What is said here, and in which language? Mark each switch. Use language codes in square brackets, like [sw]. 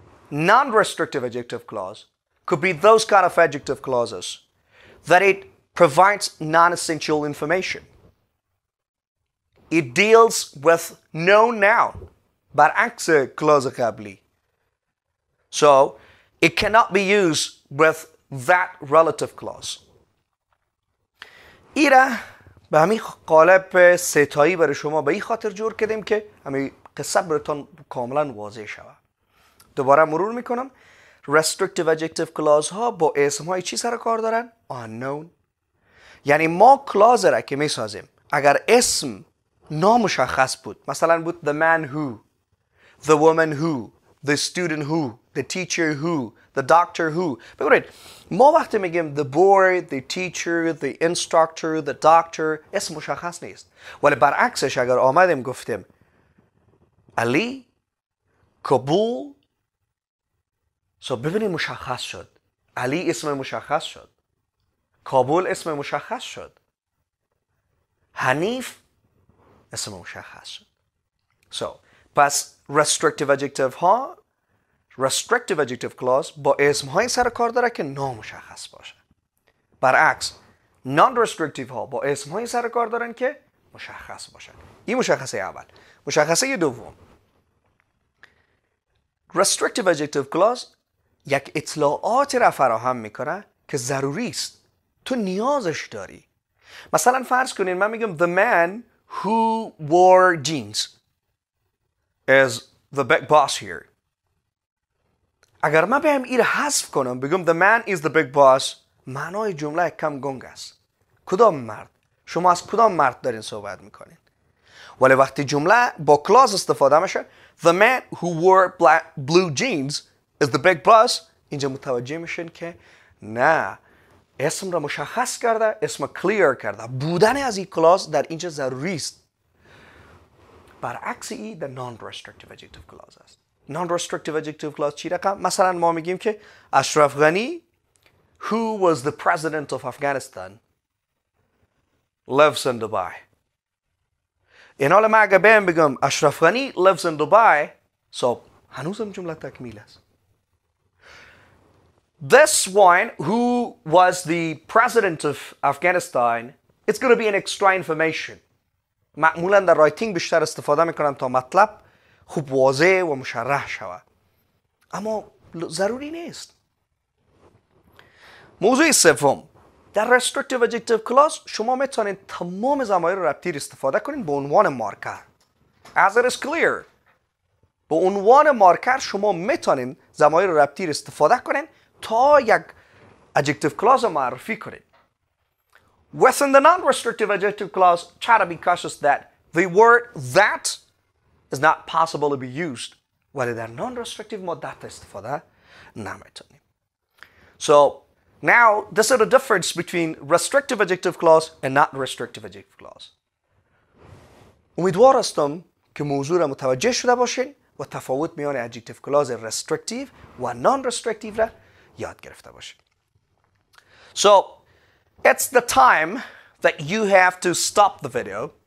[en] non-restrictive adjective clause could be those kind of adjective clauses that it provides non-essential information. It deals with known noun [fa] برعکس clause قبلی. [en] So it cannot be used with that relative clause. [fa] ایرا به همین قالب ستایی برای شما به این خاطر جور کردیم که همین قصه براتون کاملا واضح شود. دوباره مرور میکنم. Restrictive adjective clause ها با اسم های چی سر کار دارن؟ Unknown. یعنی ما clause را که میسازیم اگر اسم نامشخص بود، مثلا بود [en] the man who, the woman who, the student who, the teacher who, the doctor who. [fa] ببینید ما وقتی میگیم [en] the boy, the teacher, the instructor, the doctor، [fa] اسم مشخص نیست. ولی برعکسش اگر آمدیم گفتیم علی، کابول، سو ببینیم مشخص شد. علی اسم مشخص شد. کابل اسم مشخص شد. حنیف اسم مشخص شد. سو پس restrictive adjective ها restrictive adjective clause با اسم های سر کار داره که نامشخص باشه. برعکس non-restrictive ها با اسم های سر کار دارن که مشخص باشن. این مشخصه اول. مشخصه دوم. [en] restrictive adjective clause [fa] یک اطلاعات را فراهم میکنه که ضروری است. تو نیازش داری. مثلا فرض کنین من میگم [en] the man who wore jeans is the big boss here. [fa] اگر من بهم این حذف کنم بگم [en] the man is the big boss، [fa] معنای جمله کم گنگ است. کدام مرد؟ شما از کدام مرد دارین صحبت میکنین؟ ولی وقتی جمله با کلاز استفاده میشه [en] the man who wore black blue jeans is the big boss، [fa] اینجا متوجه میشین که نه اسم را مشخص کرده، اسم کلیر کرده. بودن از این کلاس در اینجا ضروری است. برعکس ای در non-restrictive adjective کلاس است. Non-restrictive adjective کلاس چی رقم؟ مثلا ما میگیم که اشرف غنی [en] who was the president of Afghanistan lives in Dubai. [fa] این حال ما اگر بهم بگم اشرف غنی [en] lives in Dubai [fa] so هنوزم جمله تکمیل است. [en] This one, who was the president of Afghanistan, it's going to be an extra information. [fa] معمولا در رایتینگ بیشتر استفاده میکنم تا مطلب خوب واضح و مشرح شود. اما ضروری نیست. موضوع سوم، در restrictive adjective clause شما میتونید تمام ضمایر ربطی استفاده کنید به عنوان مارکر. [en] As it is clear. [fa] به عنوان مارکر شما میتونید ضمایر ربطی استفاده کنید تا یک adjective clause معرفی کنید. [en] Within the non-restrictive adjective clause, try to be cautious that the word that is not possible to be used. [fa] ولی در non-restrictive ما that استفاده نمیتونیم. [en] So, now, this is the difference between restrictive adjective clause and non-restrictive adjective clause. [fa] امیدوار هستم که موضوع را متوجه شده باشین و تفاوت میان adjective clause restrictive و non-restrictive را یاد گرفته باشین. [en] So, it's the time that you have to stop the video.